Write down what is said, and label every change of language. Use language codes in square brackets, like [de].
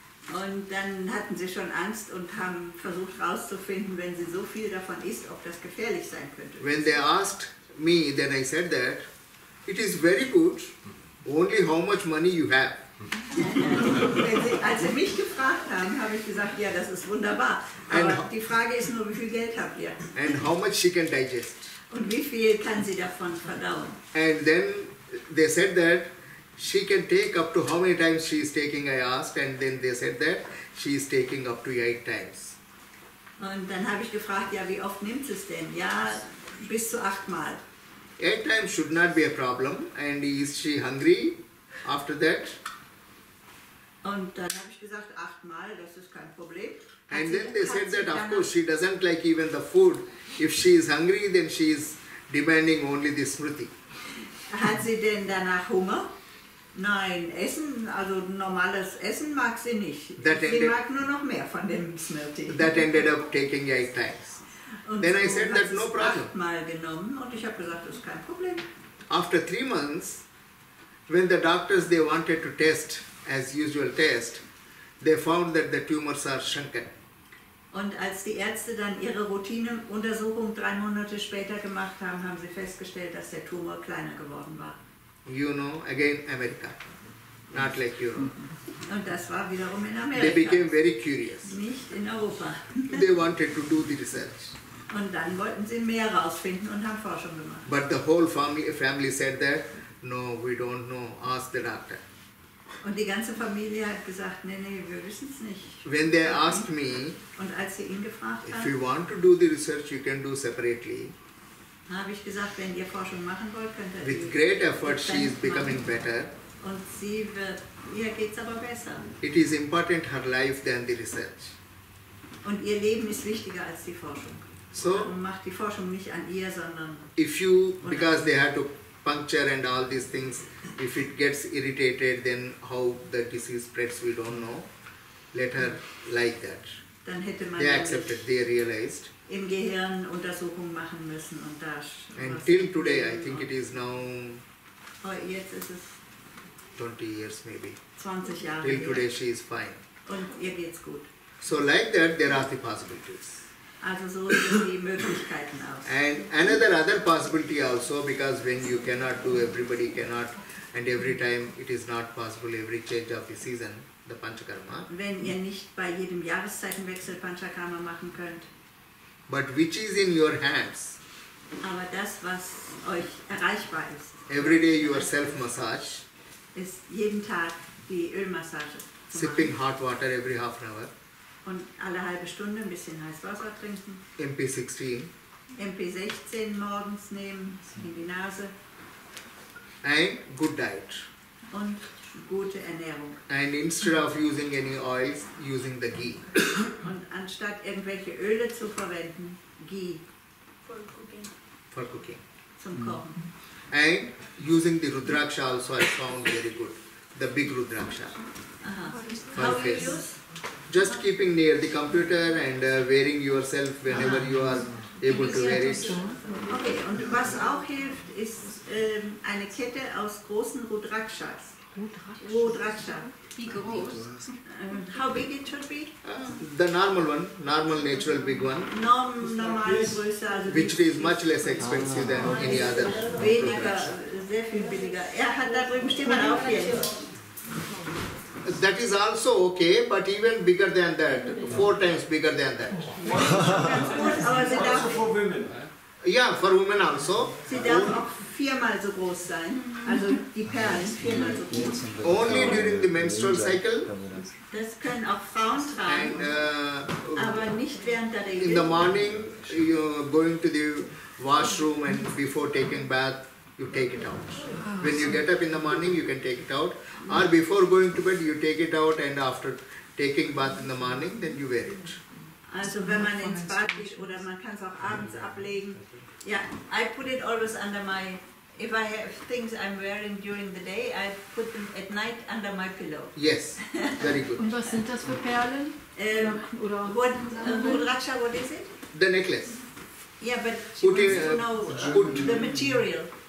[de] Und dann hatten sie schon Angst und haben versucht herauszufinden, wenn sie so viel davon isst, ob das gefährlich sein könnte. [en] When they asked me, then I said that it is very good, only how much money you have. [de] Als sie mich gefragt haben, habe ich gesagt, ja, das ist wunderbar. Aber die Frage ist nur, wie viel Geld habt ihr? [en] And how much she can digest. [de] Und wie viel kann sie davon verdauen? [en] And then they said that she can take up to how many times she is taking, I asked, and then they said that she is taking up to 8 times. [de] Und dann habe ich gefragt, ja, wie oft nimmt sie es denn? Ja, bis zu 8 Mal. [en] 8 times should not be a problem. And is she hungry after that? [de] Und dann habe ich gesagt, 8 Mal, das ist kein Problem. [en] And then they said that, of course, she doesn't like even the food. If she is hungry, then she is demanding only the smriti. [de] Hat sie denn danach Hunger? Nein, Essen, also normales Essen mag sie nicht. Sie mag nur noch mehr von dem Smriti. [en] That ended up taking 8 times. [de] Und [en] then I said that no problem. [de] 8 Mal genommen und ich habe gesagt, das ist kein Problem. [en] After 3 months, when the doctors they wanted to test as usual test, they found that the tumors are shrunken. [de] Und als die Ärzte dann ihre Routineuntersuchung 3 Monate später gemacht haben, haben sie festgestellt, dass der Tumor kleiner geworden war. [en] You know, again, America, not like Europe. [de] Und das war wiederum in Amerika. [en] They became very curious. [de] Nicht in Europa. [en] They wanted to do the research. [de] Und dann wollten sie mehr rausfinden und haben Forschung gemacht. [en] But the whole family said that, no, we don't know, ask the doctor. [de] Und die ganze Familie hat gesagt, nee, wir wissen es nicht. [en] When they asked me, [de] und als sie ihn gefragt [en] if you want to do the research, you can do separately. [de] Habe ich gesagt, wenn ihr Forschung machen wollt, könnt ihr. [en] With great effort, she is becoming better. [de] Und sie wird, ihr geht's aber besser. [en] It is important her life than the research. [de] Und ihr Leben ist wichtiger als die Forschung. [en] So [de] macht die Forschung nicht an ihr, sondern. [en] If you, because they had to puncture and all these things, if it gets irritated, then how the disease spreads, we don't know. Let her like that. [de] Dann hätte man, [en] they accepted, they realized. [de] Im Gehirn Untersuchungen machen müssen und das. [en] And till today, I think it is now. [de] Oh, jetzt ist es. [en] 20 years maybe. [de] 20 Jahre. [en] Till today, she is fine. [de] Und ihr geht's gut. [en] So like that, there are the possibilities. [de] Also so sind die Möglichkeiten auch. [en] And another possibility also, because when you cannot do, everybody cannot, and every time it is not possible, every change of the season, the panchakarma. [de] Wenn ihr nicht bei jedem Jahreszeitenwechsel Panchakarma machen könnt. [en] But which is in your hands? [de] Aber das, was euch erreichbar ist. [en] Every day you are self-massage. [de] Ist jeden Tag die Ölmassage. [en] Sipping hot water every half an hour. Und alle halbe Stunde ein bisschen heißes Wasser trinken. MP16. [de] MP16 morgens nehmen, in die Nase. [en] And good diet. [de] Und gute Ernährung. [en] And instead of using any oils, using the ghee. [de] Und anstatt irgendwelche Öle zu verwenden, ghee. [en] For cooking. [de] Zum Kochen. [en] And using the Rudraksha also I found very good. The big Rudraksha. How do you use? Just keeping near the computer and wearing yourself whenever you are able to wear it. [de] Okay, und was auch hilft, ist eine Kette aus großen Rudrakshas. Rudraksha. Wie groß? [en] How big it should be? The normal one, normal natural big one. [de] Normal Größe, also [en] which is much less expensive than any other. [de] Weniger, sehr viel billiger. Er hat da drüben, steht man auf hier. [en] That is also okay, but even bigger than that, four times bigger than that. Also for women? Yeah, for women also. [de] Sie darf auch viermal so groß sein. Also die Perlen viermal so groß. [en] Only during the menstrual cycle. [de] Das können auch Frauen tragen, [en] and, [de] aber nicht während der Regel. [en] In the morning, you going to the washroom and before taking bath, you take it out. When you get up in the morning, you can take it out. Or before going to bed, you take it out, and after taking bath in the morning, then you wear it. [de] Also, wenn man ins Bad geht, oder man kann es auch abends ablegen. [en] Yeah, I put it always under my. If I have things I'm wearing during the day, I put them at night under my pillow. Yes, very good. [de] Und was sind das für Perlen? [en] Rudraksha, what is it? The necklace. Yeah, but she put wants in, to know put the material.